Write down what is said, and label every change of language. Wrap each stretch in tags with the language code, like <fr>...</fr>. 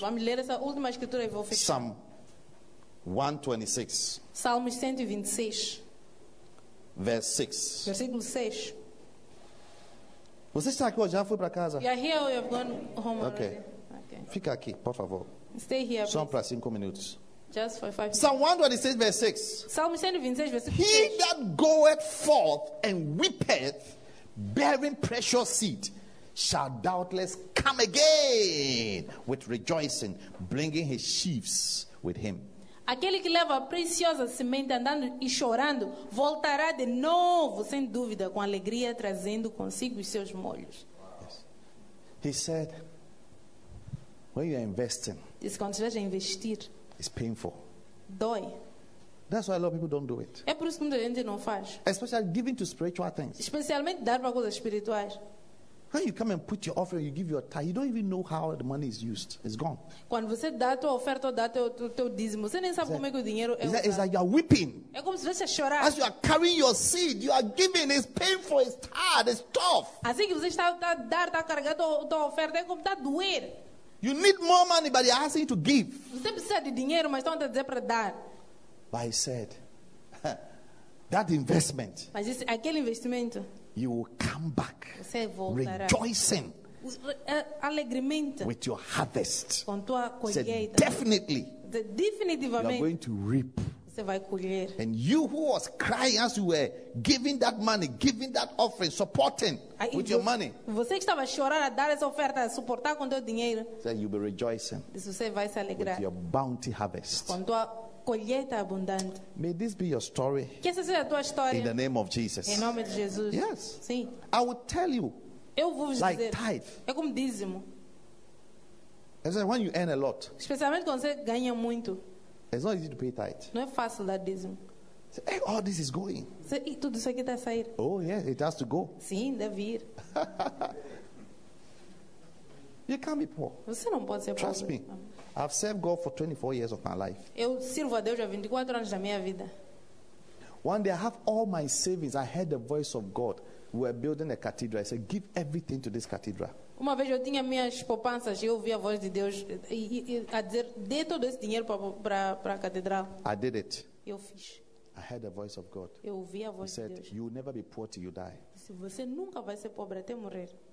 <pt>Vamos ler essa última escritura e vou fechar.</pt> <en>Psalm 126.</en> <pt>Salmos 126.</pt> <en>Verse</en> <pt>6. Versículo 6. Você está aqui hoje? Já foi para casa?</pt> <en>Yeah, here we have gone home.</en> <pt>Okay. Okay. Fica aqui, por favor.</pt> <en>Stay here.</en> <pt>Só para 5</pt> <en>minutes. Just for 5 minutes. Psalm 126, verse 6. Psalm 126, verse 6. He that goeth forth and weepeth, bearing precious seed, shall doubtless come again with rejoicing, bringing his sheaves with him.</en> <pt>Aquele que leva a preciosa semente andando e chorando, voltará de novo, sem dúvida, com alegria, trazendo consigo os seus molhos.</pt> <en>Yes. He said, when you are investing,</en> <pt>diz, quando estiver a investir,</pt> <en>it's painful.</en> <pt>Dói.</pt> <en>That's why a lot of people don't do it.</en> <pt>É por isso que muita gente não faz.</pt> <en>Especially giving to spiritual things.</en> <pt>Especialmente dar para coisas espirituais.</pt> <en>When you come and put your offering, you give your tithe, you don't even know how the money is used. It's gone.</en> <pt>Quando você dá a tua oferta, dá teu dízimo, você nem sabe como é que o dinheiro é usado.</pt> <en>It's like you're weeping.</en> <pt>É como se você chorar.</pt> <en>As you are carrying your seed, you are giving, it's painful, it's hard, it's tough.</en> <pt>Assim que você está a dar, está a carregar tua oferta, é como está a doer.</pt> <en>You need more money, but they're asking you to give.</en> <pt>Você precisa de dinheiro, mas estão a dizer para dar.</pt> <en>But he said, that investment.</en> <pt>Mas disse, aquele investimento.</pt> <en>You will come back.</en> <pt>Você voltará.</pt> <en>Rejoicing.</en> <pt>Alegremente.</pt> <en>With your harvest.</en> <pt>Com tua colheita.</pt> <en>Said, definitely.</en> <pt>Definitivamente.</pt> <en>You are going to reap.</en> <pt>Você vai colher.</pt> <en>And you who was crying as you were giving that money, giving that offering, supporting with your money.</en> <pt>Você que estava chorando a dar essa oferta, a suportar com teu dinheiro.</pt> <en>Said you'll be rejoicing.</en> <pt>Diz, você vai se alegrar.</pt> <en>With your bounty harvest.</en> <pt>Com tua colheita abundante.</pt> <en>May this be your story.</en> <pt>Que essa seja a tua história.</pt> <en>In the name of Jesus.</en> <pt>Em nome de Jesus.</pt> <en>Yes.</en> <pt>Sim.</pt> <en>I will tell you.</en> <pt>Eu vou vos</pt> <en>like</en> <pt>dizer.</pt> <en>Tithe.</en> <pt>É como dízimo.</pt> <en>As when you earn a lot.</en> <pt>Especialmente quando você ganha muito.</pt> <en>It's not easy to pay tight.</en> <pt>Não é fácil dar dízimo.</pt> <en>Say, hey, all this is going.</en> <pt>E tudo isso aqui está a sair.</pt> <en>Oh, yeah, it has to go.</en> <pt>Sim, deve ir.</pt> <en>You can't be poor.</en> <pt>Você não pode ser pobre.</pt> <en>Trust me. I've served God for 24 years of my life.</en> <pt>Eu sirvo a Deus há 24 anos da minha vida.</pt> <en>One day I have all my savings. I heard the voice of God. We were building a cathedral. I said, give everything to this cathedral.</en> <pt>Uma vez eu tinha minhas poupanças e eu ouvi a voz de Deus a dizer, dê todo esse dinheiro para a catedral.</pt> <en>I did it.</en> <pt>Eu fiz.</pt> <en>I heard the voice of God.</en> <pt>Eu ouvi a voz</pt> <en>said,</en> <pt>de Deus.</pt> <en>You will never be poor till you die.</en> <pt>Disse, você nunca vai ser pobre até morrer.</pt>